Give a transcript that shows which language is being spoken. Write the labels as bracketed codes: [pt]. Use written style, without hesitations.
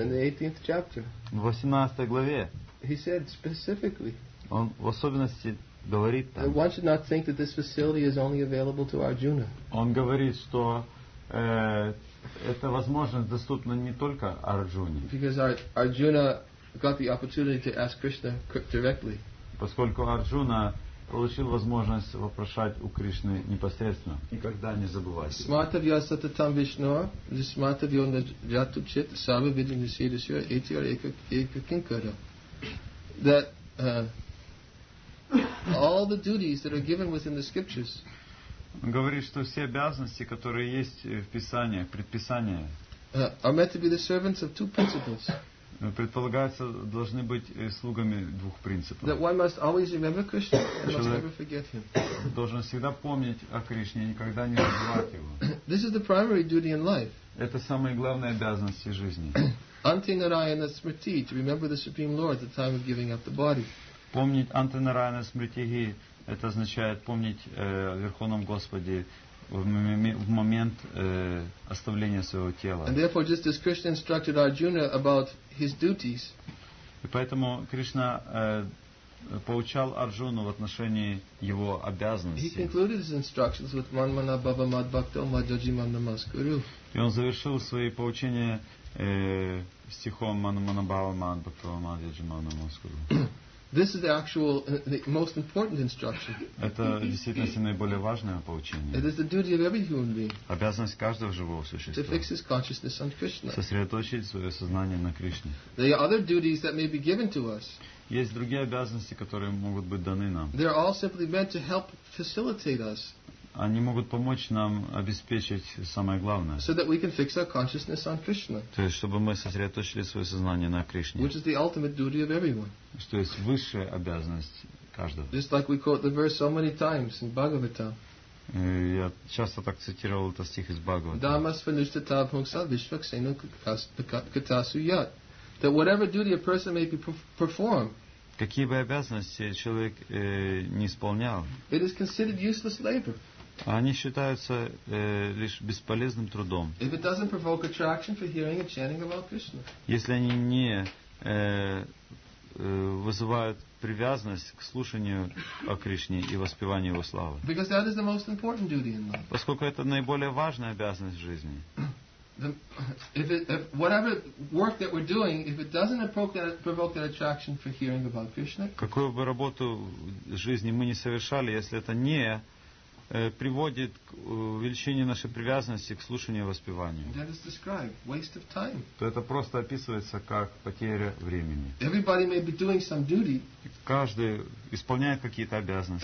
[en] In the 18th chapter. [ru] В 18 главе. [en] He said specifically. [ru] Он в особенности говорит там. [en] One should not think that this facility is only available to Arjuna. [ru] Он говорит, что эта возможность доступна не только Арджуне. [en] Because Arjuna got the opportunity to ask Krishna directly. [ru] Поскольку Арджуна получил возможность вопрошать у Кришны непосредственно. Никогда не забывайте. [sa] Сматавья сататам вишно, сматавья наджату чит, сава виду нисидасюа, этиар эка кинкара. [en] That all the duties that are given within the scriptures, [ru] он говорит, что все обязанности, которые есть в Писании, предписания, [en] are meant to be the servants of two principles. [ru] Предполагается, должны быть слугами двух принципов. [en] That one must always remember Krishna and must never forget him. [ru] Должен всегда помнить о Кришне и никогда не забывать его. [en] This is the primary duty in life. [ru] Это самые главные обязанности жизни. [en] Antinarayana Smriti, to remember the Supreme Lord at the time of giving up the body. [ru] Помнить Антинарайана Смритихи, это означает помнить о Верховном Господе в момент оставления своего тела. [en] And therefore, just as Krishna instructed Arjuna about his duties, [ru] и поэтому Кришна поучал Арджуну в отношении его обязанностей. [en] He concluded his instructions with [sa] Manmana Bhava Mad Bhakto Madhyaji Mandamaskuru. [ru] И он завершил свои поучения стихом [sa] Manmana Bhava Mad Bhakto Madhyaji Mandamaskuru. [en] This is the actual, the most important instruction. [ru] Это действительно наиболее важное поучение. [en] It is the duty of every human being. [ru] Обязанность каждого живого существа. [en] To fix his consciousness on Krishna. [ru] Сосредоточить свое сознание на Кришне. [en] There are other duties that may be given to us. [ru] Есть другие обязанности, которые могут быть даны нам. [en] They are all simply meant to help facilitate us. [ru] они могут помочь нам обеспечить самое главное. [en] So that we can fix our consciousness on Krishna. [ru] То есть, чтобы мы сосредоточили свое сознание на Кришне. [en] Which is the ultimate duty of everyone. [ru] Что есть высшая обязанность каждого. [en] Just like we quote the verse so many times in Bhagavatam. [ru] Я часто так цитировал этот стих из Бхагавата. [sa] Дамас фаништа табхунгса вишваксену катасу ят. [en] That whatever duty a person may be perform, [ru] какие бы обязанности человек не исполнял, [en] it is considered useless labor. [ru] Они считаются лишь бесполезным трудом. [en] If it doesn't provoke attraction for hearing and chanting about Krishna. [ru] Если они не вызывают привязанность к слушанию о Кришне и воспеванию Его славы. [en] Because that is the most important duty in life. [ru] Поскольку это наиболее важная обязанность в жизни. [en] If whatever work that we're doing, if it doesn't provoke that attraction for hearing about Krishna, [ru] какую бы работу жизни мы не совершали, если это не приводит к увеличению нашей привязанности к слушанию и воспеванию, [en] that is described waste of time. [ru] То это просто описывается как потеря времени. [en] Everybody may be doing some duty. [ru] Каждый исполняет какие-то обязанности.